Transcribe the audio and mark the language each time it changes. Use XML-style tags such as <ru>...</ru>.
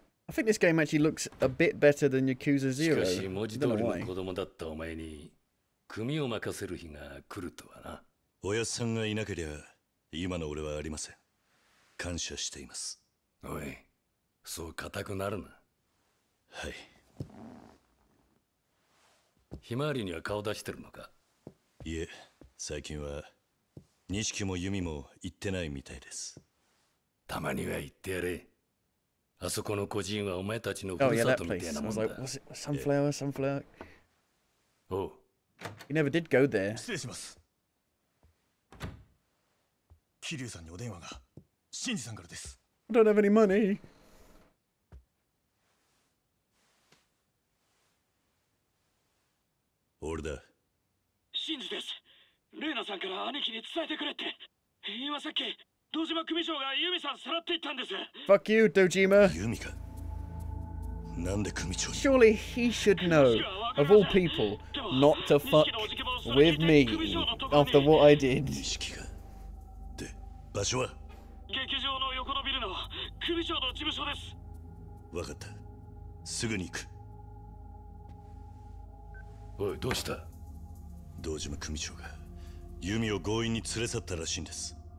<en>I think this game actually looks a bit better than Yakuza Zero.</en> <ja>しかし文字通りの子供だったお前に組を任せる日が来るとはな。おやさんがいなければ今の俺はありません。感謝しています。おい、そう固くなるな。はい。ひまわりには顔出してるのか。いえ、最近は錦も弓も行ってないみたいです。たまには行ってやれ。あそこの孤児院はお前たちのふるさとみたいなもんだ。</ja> <en>サンフラワー、サンフラワー。 おう。 You never did go there.</en> <ja>失礼します。キリュウさんにお電話が。シンジさんからです。</ja> <en>I don't have any money.</en> <ja>オールだ。真実です。レイナさんから兄貴に伝えてくれって。今さっき、堂島組長がユミさんさらっていったんです。</ja> <en>Fuck you, Dojima.</en> <ja>ユミか。なんで組長に。</ja> <en>Surely he should know, of all people, not to fuck with me after what I did.</en> <ja>錦が。で、場所は？劇場の横のビルの組長の事務所です。わかった、すぐに行く。おい、どうした？道島組長が弓を強引に連れ去ったらしいんです。</ja>